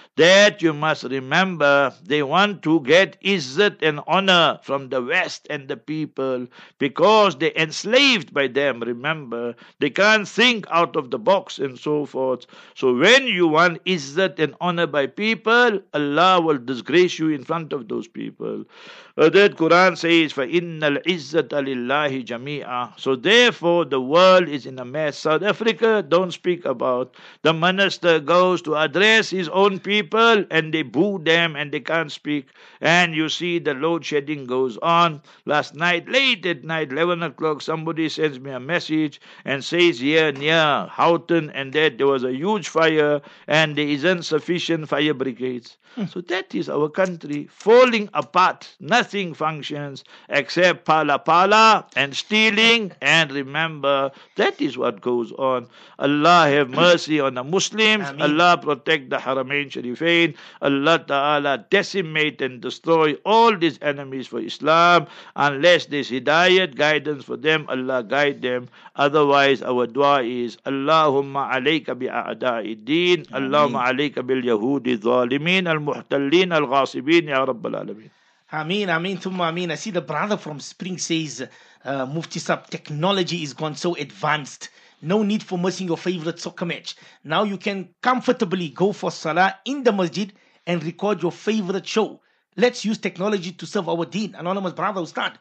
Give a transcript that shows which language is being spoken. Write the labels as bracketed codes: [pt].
[en] That you must remember, they want to get izzat and honor from the West and the people because they're enslaved by them, remember. They can't think out of the box and so forth. So when you want izzat and honor by people, Allah will disgrace you in front of those people. That Quran says, [ar] فَإِنَّ الْعِزَّةَ لِلَّهِ جَمِيعًا. [en] So therefore, the world is in a mess. South Africa, don't speak about. The minister goes to address his own people, and they boo them, and they can't speak. And you see, the load shedding goes on. Last night, late at night, 11 o'clock, somebody sends me a message, and says, here, near Houghton, and that there was a huge fire, and there isn't sufficient fire brigades. So that is our country falling apart. Nothing functions except pala pala and stealing. And remember, that is what goes on. Allah have mercy on the Muslims. Ameen. Allah protect the Haramain Sharifain. Allah Ta'ala decimate and destroy all these enemies for Islam. Unless there's hidayat, guidance for them, Allah guide them. Otherwise, our dua is [ar] Allahumma alayka bi a'da'i deen. Allahumma alayka bil يهودي الظالمين المحتلين الغاصبين يا رب العالمين. Ameen, ameen, thumma ameen. [en] I see the brother from Spring says, Mufti Sab, technology is gone so advanced. No need for missing your favorite soccer match. Now you can comfortably go for salah in the masjid and record your favorite show. Let's use technology to serve our deen. Anonymous brother, Ustad.